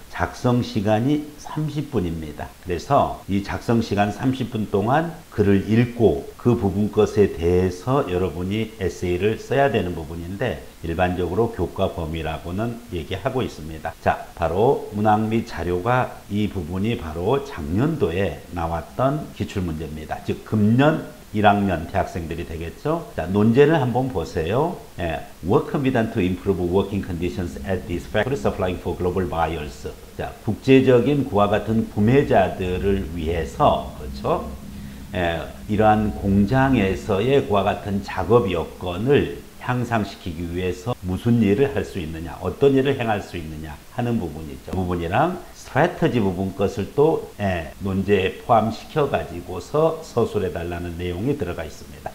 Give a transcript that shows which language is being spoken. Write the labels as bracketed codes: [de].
[ko] 작성 시간이 30분입니다. 그래서 이 작성 시간 30분 동안 글을 읽고 그 부분 것에 대해서 여러분이 에세이를 써야 되는 부분인데 일반적으로 교과 범위라고는 얘기하고 있습니다. 자, 바로 문항 및 자료가 이 부분이 바로 작년도에 나왔던 기출문제입니다. 즉 금년 1학년 대학생들이 되겠죠. 자, 논제를 한번 보세요. [en] 예, What can be done to improve working conditions at this factory supplying for global buyers? [ko] 자, 국제적인 그와 같은 구매자들을 위해서 그렇죠? 예, 이러한 공장에서의 그와 같은 작업 여건을 향상시키기 위해서 무슨 일을 할 수 있느냐, 어떤 일을 행할 수 있느냐 하는 부분이죠. 부분이랑 스트래터지 부분 것을 또 예, 논제에 포함시켜 가지고서 서술해 달라는 내용이 들어가 있습니다.